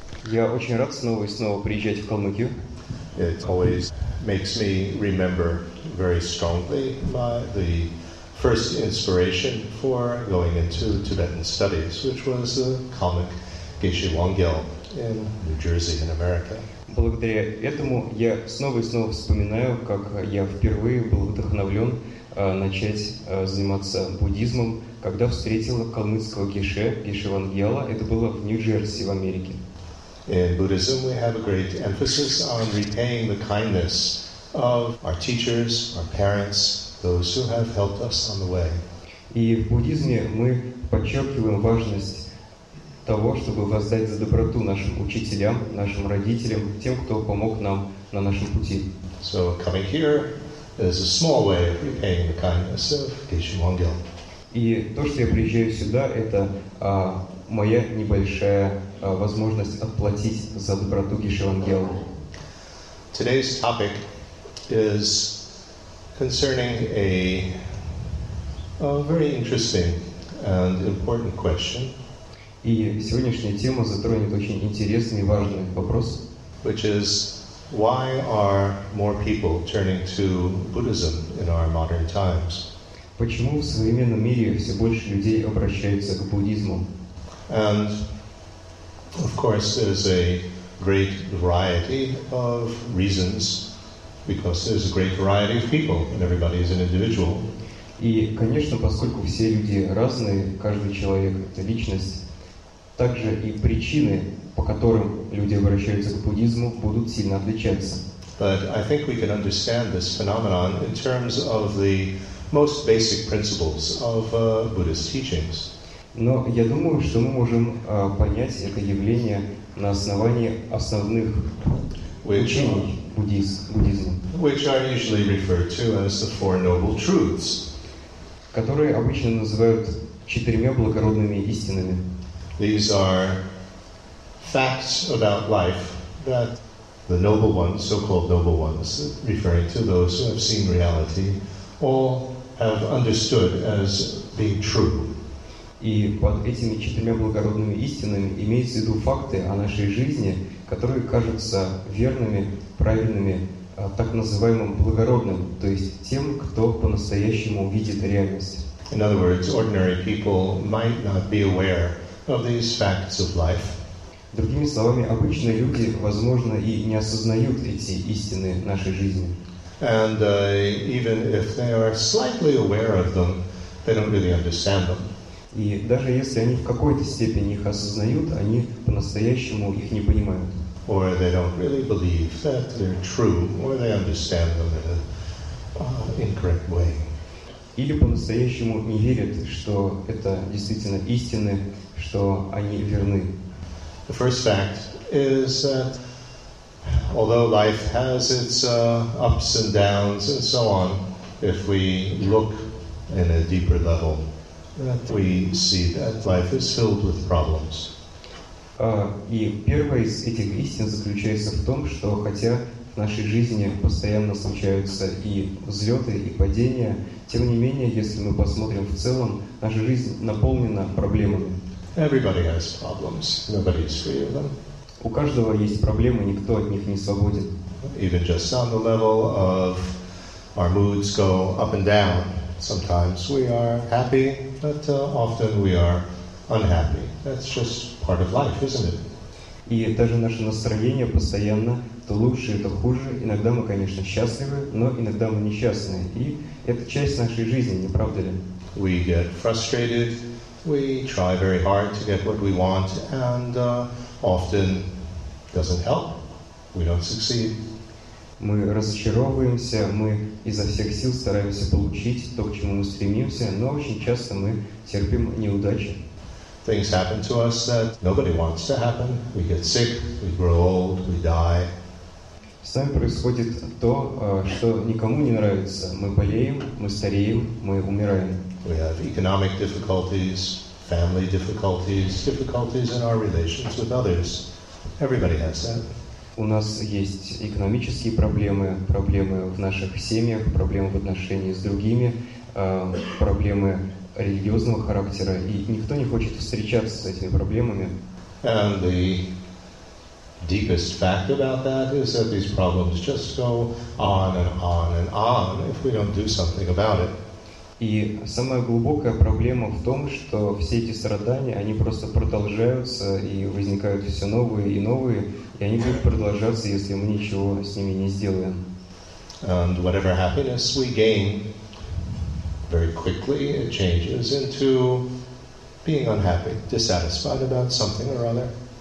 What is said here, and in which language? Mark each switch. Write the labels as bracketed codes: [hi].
[ru] Я очень рад снова и снова приезжать в Калмыкию. [en] It always makes me remember very strongly my the first inspiration for going into Tibetan studies, which was the comic Geshe Wangyal in New Jersey in America. [ru] Благодаря этому я снова и снова вспоминаю, как я впервые был вдохновлен начать заниматься буддизмом, когда встретил калмыцкого геше, Геше Вангьяла. Это было в Нью-Джерси, в Америке. [en] In Buddhism we have a great emphasis on repaying the kindness of our teachers, our parents, those who have helped us on the way. [ru] И в буддизме мы подчеркиваем важность того, чтобы воздать за доброту нашим учителям, нашим родителям, тем, кто помог нам на нашем пути. [en] So coming here is a small way of repaying the kindness of Geshe Wangyal. [ru] И то, что я приезжаю сюда, это моя небольшая возможность отплатить за доброту Геше Вангьяла. [en] Today's topic is concerning a very interesting and important question. [ru] И сегодняшняя тема затронет очень интересный и важный вопрос. [en] Which is, why are more people turning to Buddhism in our modern times? [ru] Почему в современном мире все больше людей обращаются к буддизму? [en] And, of course, there's a great variety of reasons, because there's a great variety of people, and everybody is an individual. [ru] И, конечно, поскольку все люди разные, каждый человек — это личность, также и причины, по которым люди обращаются к буддизму, будут сильно отличаться. [en] But I think we can understand this phenomenon in terms of the most basic principles of Buddhist teachings. [ru] Но я думаю, что мы можем понять это явление на основании основных учений буддизма, [en] which are usually referred to as the Four Noble Truths, [ru] которые обычно называют четырьмя благородными истинами. [en] These are facts about life that the noble ones, so-called noble ones, referring to those who have seen reality, all have understood as being true. [ru] И под этими четырьмя благородными истинами имеются в виду факты о нашей жизни, которые кажутся верными, правильными, так называемым благородным, то есть тем, кто по-настоящему видит реальность. [en] In other words, ordinary people might not be aware of these facts of life. [ru] Другими словами, обычные люди, возможно, и не осознают эти истины нашей жизни. [en] And even if they are slightly aware of them, they don't really understand them. [ru] И даже если они в какой-то степени их осознают, они по-настоящему их не понимают. [en] Or they don't really believe that they're true, or they understand them in an incorrect way. [ru] Или по-настоящему не верят, что это действительно истины, что они верны. [en] The first fact is that although life has its ups and downs and so on, if we look in a deeper level, that we see that life is filled with problems. [ru] И первая из этих истин заключается в том, что хотя в нашей жизни постоянно случаются и взлеты, и падения, тем не менее, если мы посмотрим в целом, наша жизнь наполнена проблемами. [en] Everybody has problems. Nobody is free of them. [ru] У каждого есть проблемы, никто от них не свободен. [en] Even just on the level of our moods go up and down. Sometimes we are happy, but often we are unhappy. That's just part of life, isn't it? [ru] И даже наше настроение постоянно, то лучше, то хуже. Иногда мы, конечно, счастливы, но иногда мы несчастны. И это часть нашей жизни, не правда ли? [en] We get frustrated. We try very hard to get what we want, and often doesn't help. We don't succeed. [ru] Мы разочаровываемся, мы изо всех сил стараемся получить то, к чему мы стремимся, но очень часто мы терпим неудачи. [en] Things happen to us that nobody wants to happen. We get sick, we grow old, we die. [ru] С нами происходит то, что никому не нравится. Мы болеем, мы стареем, мы умираем. [en] We have economic difficulties, family difficulties, difficulties in our relations with others. Everybody has that. [ru] У нас есть экономические проблемы, проблемы в наших семьях, проблемы в отношении с другими, проблемы религиозного характера, и никто не хочет встречаться с этими проблемами. [en] And the deepest fact about that is that these problems just go on and on and on if we don't do something about it. [ru] И самая глубокая проблема в том, что все эти страдания, они просто продолжаются и возникают все новые и новые, и они будут продолжаться, если мы ничего с ними не сделаем. [en] And whatever happiness we gain, very quickly it changes into being unhappy, dissatisfied about something or other.